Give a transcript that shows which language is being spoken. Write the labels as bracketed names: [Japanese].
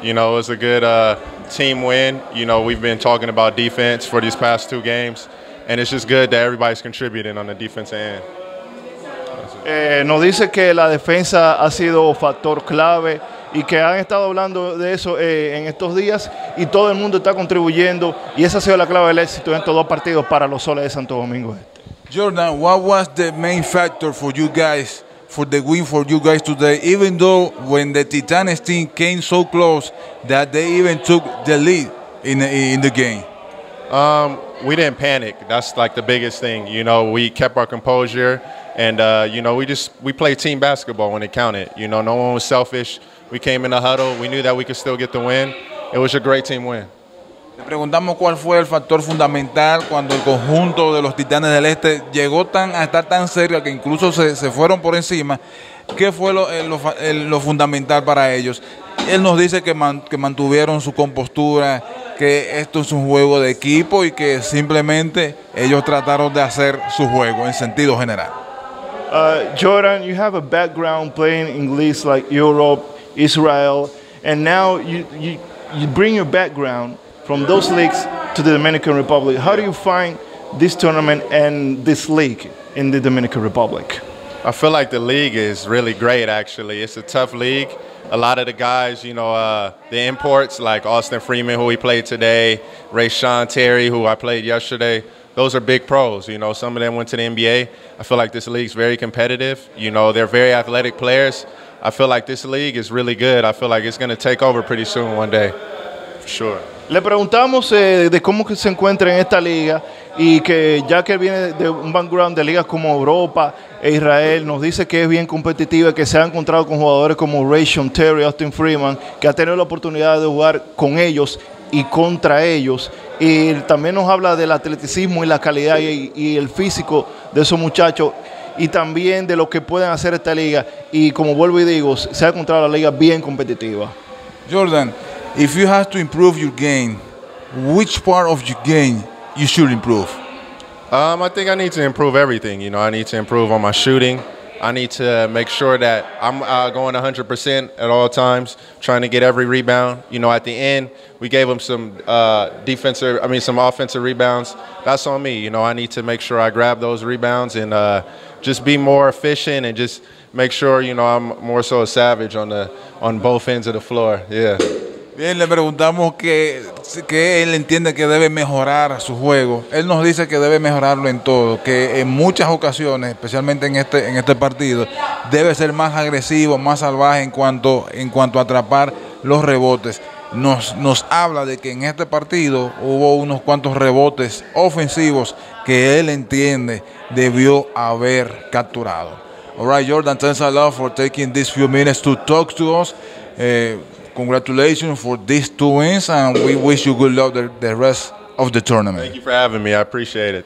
[English] You know, it was a good team win. You know, we've been talking about defense for these past two games, and it's just good that everybody's contributing on the defense end. [Spanish] Nos dice que la defensa ha sido factor clave y que han estado hablando de eso en estos días y todo el mundo está contribuyendo y esa ha sido la clave del éxito en estos dos partidos para los Soles de Santo Domingo. [English] Jordan, what was the main factor for you guys, for the win for you guys today, even though when the Titanes team came so close that they even took the lead in the game? We didn't panic. That's like the biggest thing. You know, we kept our composure and, you know, we played team basketball when it counted. You know, no one was selfish. We came in a huddle. We knew that we could still get the win. It was a great team win. [Spanish] Le preguntamos cuál fue el factor fundamental cuando el conjunto de los Titanes del Este llegó tan a estar tan cerca que incluso se fueron por encima. ¿Qué fue lo fundamental para ellos? Él nos dice que mantuvieron su compostura, que esto es un juego de equipo y que simplemente ellos trataron de hacer su juego en sentido general. [English] Jordan, you have a background playing in leagues like Europe, Israel, and now you bring your background from those leagues to the Dominican Republic. How do you find this tournament and this league in the Dominican Republic? I feel like the league is really great, actually. It's a tough league. A lot of the guys, you know, the imports, like Austin Freeman, who we played today, Rayshon Terry, who I played yesterday, those are big pros. You know, some of them went to the NBA. I feel like this league's very competitive. You know, they're very athletic players. I feel like this league is really good. I feel like it's going to take over pretty soon one day, for sure. [Spanish] Le preguntamos de cómo que se encuentra en esta liga y que ya que viene de un background de ligas como Europa e Israel, nos dice que es bien competitiva, que se ha encontrado con jugadores como Rayshon Terry, Austin Freeman, que ha tenido la oportunidad de jugar con ellos y contra ellos. Y también nos habla del atleticismo y la calidad y el físico de esos muchachos y también de lo que pueden hacer esta liga. Y como vuelvo y digo, se ha encontrado la liga bien competitiva. [English] Jordan, if you have to improve your game, which part of your game you should improve? I think I need to improve everything. You know, I need to improve on my shooting. I need to make sure that I'm going 100% at all times, trying to get every rebound. You know, at the end, we gave them some offensive rebounds. That's on me. You know, I need to make sure I grab those rebounds and just be more efficient and just make sure, you know, I'm more so a savage on both ends of the floor. Yeah. [Spanish] Bien, le preguntamos que él entiende que debe mejorar su juego. Él nos dice que debe mejorarlo en todo, que en muchas ocasiones, especialmente en este partido, debe ser más agresivo, más salvaje en cuanto a atrapar los rebotes. Nos habla de que en este partido hubo unos cuantos rebotes ofensivos que él entiende debió haber capturado. [English] All right, Jordan, thanks a lot for taking these few minutes to talk to us. Congratulations for these two wins, and we wish you good luck the rest of the tournament. Thank you for having me. I appreciate it.